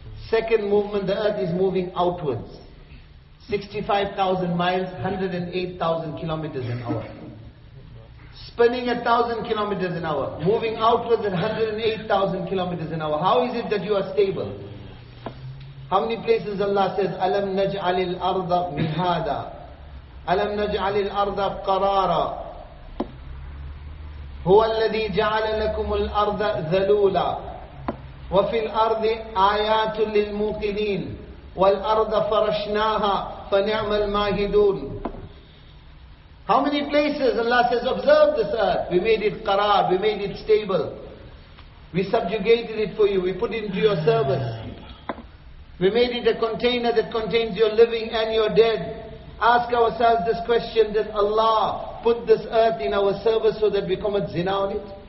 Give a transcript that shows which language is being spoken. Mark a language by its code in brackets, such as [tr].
[en] Second movement, the earth is moving outwards. 65,000 miles, 108,000 kilometers an hour. Spinning 1,000 kilometers an hour. Moving outwards at 108,000 kilometers an hour. How is it that you are stable? How many places Allah says, [ar] أَلَمْ نَجْعَلِ الْأَرْضَ مِهَادَ أَلَمْ نَجْعَلِ الْأَرْضَ قَرَارَ هُوَ الَّذِي جَعَلَ لَكُمُ الْأَرْضَ ذَلُولَ وَفِي الْأَرْضِ آيَاتٌ لِلْمُوقِنِينَ وَالْأَرْضَ فَرَشْنَاهَا فَنِعْمَ الْمَاهِدُونَ. [en] How many places Allah says, observe this earth. We made it qarar, we made it stable. We subjugated it for you, we put it into your service. We made it a container that contains your living and your dead. Ask ourselves this question, did Allah put this earth in our service so that we commit zina on it?